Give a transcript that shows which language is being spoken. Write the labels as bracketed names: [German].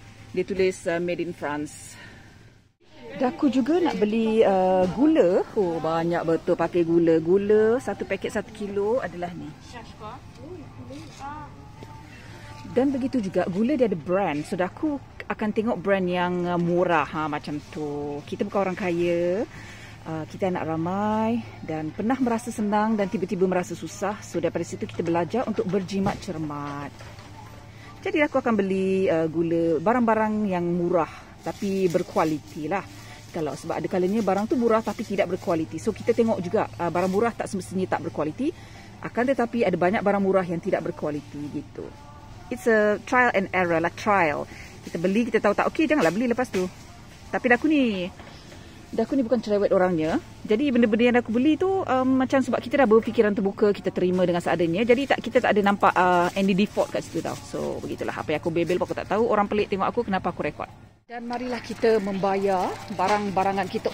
[Malay] Dia tulis [English] made in France. [Malay] Daku juga nak beli gula. Oh, banyak betul pakai gula. Gula satu paket 1 kilo adalah ni. Dan begitu juga gula dia ada brand. So daku akan tengok brand yang murah ha, macam tu. Kita bukan orang kaya. Kita nak ramai dan pernah merasa senang dan tiba-tiba merasa susah. So daripada situ kita belajar untuk berjimat cermat. Jadi aku akan beli gula, barang-barang yang murah tapi berkualiti lah. Kalau sebab ada kalanya barang tu murah tapi tidak berkualiti. So kita tengok juga barang murah tak semestinya tak berkualiti. Akan tetapi ada banyak barang murah yang tidak berkualiti gitu. [English] It's a trial and error lah, trial. [Malay] Kita beli, kita tahu tak okey, janganlah beli lepas tu. Tapi aku ni, aku ni bukan cerewet orangnya. Jadi benda-benda yang aku beli tu macam sebab kita dah berfikiran terbuka, kita terima dengan seadanya. Jadi tak, kita tak ada nampak [English] any default [Malay] kat situ tau. So begitulah apa yang aku bebel, aku tak tahu. Orang pelik tengok aku kenapa aku rekod. Dan marilah kita membayar barang-barangan kita.